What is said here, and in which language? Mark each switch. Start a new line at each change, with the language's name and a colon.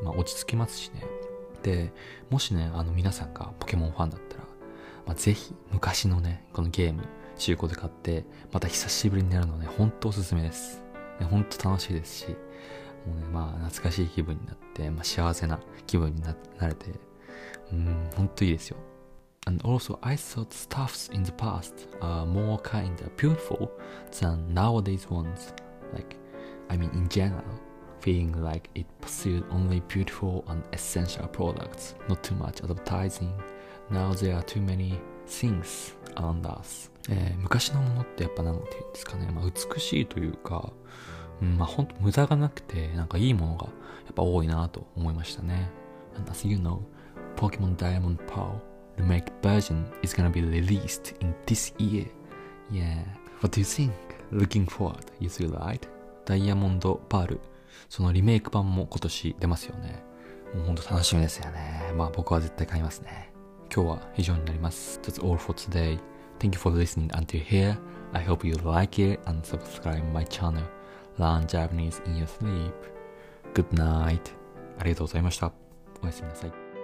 Japanese: まあ、落ち着きますしね。で、もしね、皆さんがポケモンファンだったら、ぜひ昔のね、このゲーム、中古で買って、また久しぶりにやるのね、ほんとおすすめです。ね、ほんと楽しいですし、もうね、まあ、懐かしい気分になって、まあ、幸せな気分に なれて、本当いいですよ。
English: And also, I thought stuffs in the past are more kind of beautiful than nowadays ones. Like, I mean in general, feeling like it pursued only beautiful and essential products, not too much advertising. Now there are too many things around us.
Japanese: 昔のものってやっぱなんていうんですかね、まあ、美しいというか、うん、まあ本当無駄がなくてなんかいいものがやっぱ多いなと思いましたね。
English: And as you know, Pokemon Diamond Pearl Remake version is gonna be released in this year. Yeah. What do you think? Looking forward, you see right?
Japanese: ダイヤモンドパール、そのリメイク版も今年出ますよね。もう本当楽しみですよね。まあ僕は絶対買いますね。今日は以上になります。
English: That's all for todayThank you for listening until here. I hope you like it and subscribe my channel. Learn Japanese in your sleep. Good night.
Japanese: ありがとうございました。おやすみなさい。